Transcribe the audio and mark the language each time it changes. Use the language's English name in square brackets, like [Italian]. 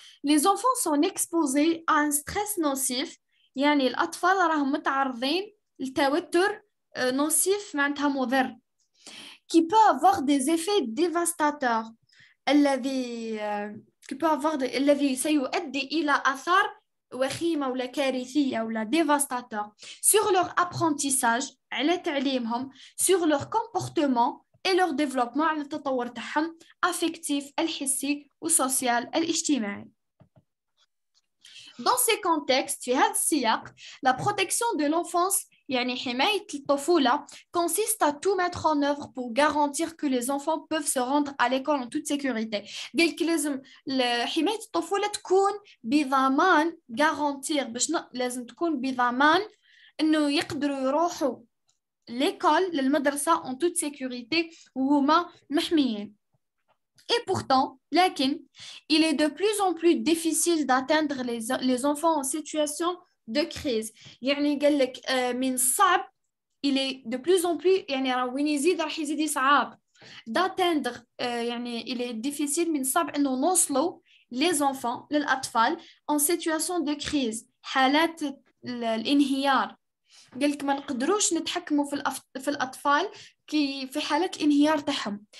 [French] les enfants sont exposés à un stress nocif. [Arabic] يعني الأطفال راه متعرضين لتوتر نوسيف معناتها مضر [French] qui peut avoir des effets dévastateurs. [Arabic] الذي [French] peut avoir de, [Arabic] الذي سيؤدي إلى أثار وخيمة ولا كارثية ولا [French] dévastateur sur leur apprentissage [Arabic] على تعليمهم [French] sur leur comportement et leur développement [Arabic] على التطور تاعهم [French] affectif [Arabic] الحسي والسوسيال الاجتماعي. [French] Dans ces contextes, [Arabic] في هذا السياق, [French] la protection de l'enfance, [Arabic] يعني حماية الطفولة, [French] consiste à tout mettre en œuvre pour garantir que les enfants peuvent se rendre à l'école en toute sécurité. [Arabic] قلت لازم حماية الطفولة تكون بضمان [French] garantir, [Arabic] باش لازم تكون بضمان انه يقدروا يروحوا [French] l'école, [Arabic] للمدرسة [French] en toute sécurité [Arabic] وهما محميين. [French] Et pourtant, [Arabic] لكن, [French] il est de plus en plus difficile d'atteindre les enfants en situation de crise. [Arabic] يعني قال لك من صعب, [French] il est de plus en plus, [Arabic] يعني راه وين يزيد راح يزيد صعاب. [French] D'atteindre, [Arabic] يعني [French] il est difficile [Arabic] من صعب انه نوصلوا [French] les enfants, [Arabic] للأطفال, [French] en situation de crise. [Arabic] حالات الانهيار. قال لك ما نقدروش نتحكموا في الأطفال [French] qui fait halak inhiyar tahom.